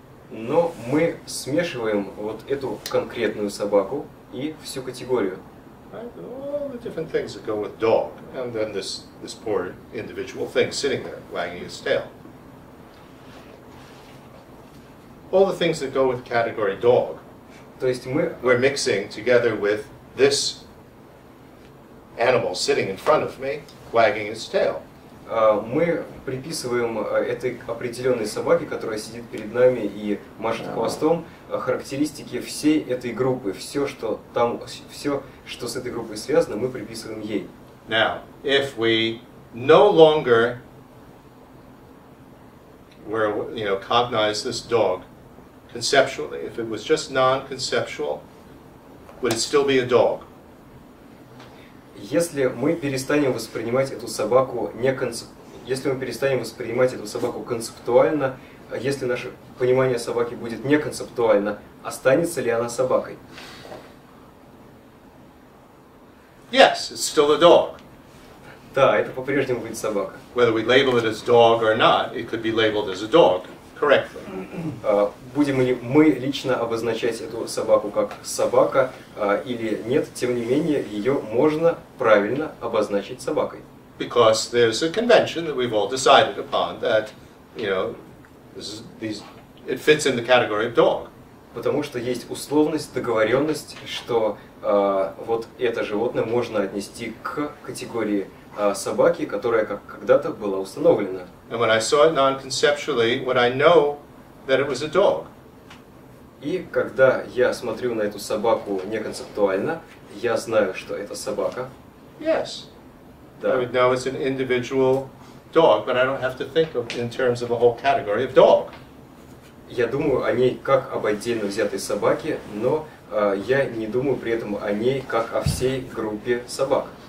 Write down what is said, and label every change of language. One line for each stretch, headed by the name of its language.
Russian: Но мы смешиваем вот эту конкретную собаку и всю категорию.
English: All the different things that go with dog, and then this poor individual thing sitting there wagging its tail. All the things that go with category dog.
Russian: То есть мы.
English: We're mixing together with this animal sitting in front of me wagging its tail.
Russian: Мы приписываем этой определенной собаке, которая сидит перед нами и машет хвостом, характеристики всей этой группы, все, что с этой группой связано, мы приписываем ей.
English: Now, if we no longer were, cognize this dog conceptually, if it was just non-conceptual, would it still be a dog?
Russian: Если мы перестанем воспринимать эту собаку конц... если мы перестанем воспринимать эту собаку концептуально, если наше понимание собаки будет не концептуально, останется ли она собакой?
English: Yes, it's still a dog.
Russian: Да, это по-прежнему будет собака.
English: Whether we label it as dog or not, it could be labeled as a dog. Correctly.
Russian: Будем ли мы лично обозначать эту собаку как собака или нет, тем не менее, ее можно правильно обозначить собакой.
English: Because there's a convention that we've all decided upon that, you know, it fits in the category of dog.
Russian: Потому что есть условность, договоренность, что вот это животное можно отнести к категории собаки, которая как когда-то была установлена.
English: And when I saw it non-conceptually, when I know that it was a dog.
Russian: И когда я смотрю на эту собаку неконцептуально, я знаю, что это собака.
English: Yes.
Russian: Да.
English: I would know it's an individual dog, but I don't have to think of in terms of a whole category of dog.
Russian: Я думаю о ней как об отдельно взятой собаке, но я не думаю при этом о ней как о всей группе собак.